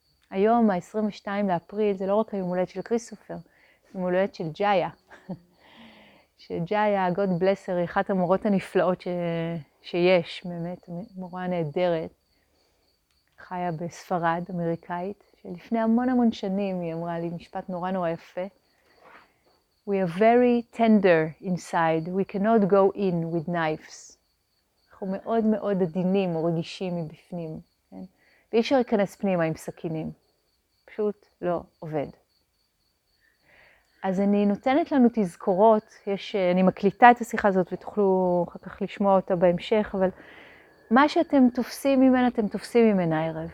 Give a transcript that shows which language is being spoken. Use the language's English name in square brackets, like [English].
[Hebrew] היום, ה-22 לאפריל, זה לא רק היום הולדת של כריסטופר, זה יום הולדת של ג'איה. שג'איה, [English] God bless her, [Hebrew] היא אחת המורות הנפלאות שיש, באמת, מורה נהדרת, חיה בספרד, אמריקאית, שלפני המון המון שנים היא אמרה לי משפט נורא נורא יפה. [English] We are very tender inside, we cannot go in with knives. [Hebrew] אנחנו מאוד מאוד עדינים או רגישים מבפנים, כן? ואי אפשר להיכנס פנימה עם סכינים. פשוט לא עובד. אז אני נותנת לנו תזכורות, אני מקליטה את השיחה הזאת ותוכלו אחר כך לשמוע אותה בהמשך, אבל מה שאתם תופסים ממנה, אתם תופסים ממנה ערב.